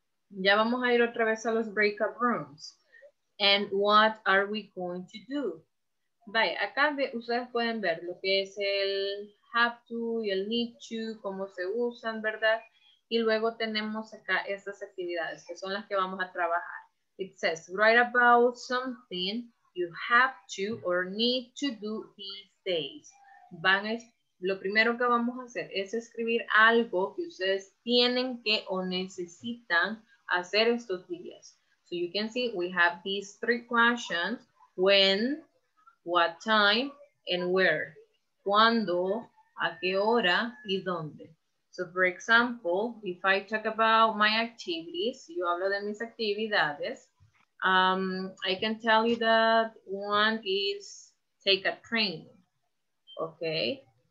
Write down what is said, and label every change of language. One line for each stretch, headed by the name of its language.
Spanish: Ya vamos a ir otra vez a los breakout rooms.
English: And what are we going to do?
Spanish: Vaya, acá ustedes pueden ver lo que es el have to y el need to, cómo se usan, ¿verdad? Y luego tenemos acá estas actividades que son las que vamos a trabajar.
English: It says, write about something you have to or need to do these days.
Spanish: Lo primero que vamos a hacer es escribir algo que ustedes tienen que o necesitan hacer estos días.
English: So you can see we have these three questions. When, what time, and where.
Spanish: Cuando, a qué hora, y dónde.
English: So for example, if I talk about my activities,
Spanish: yo hablo de mis actividades,
English: I can tell you that one is take a train, okay?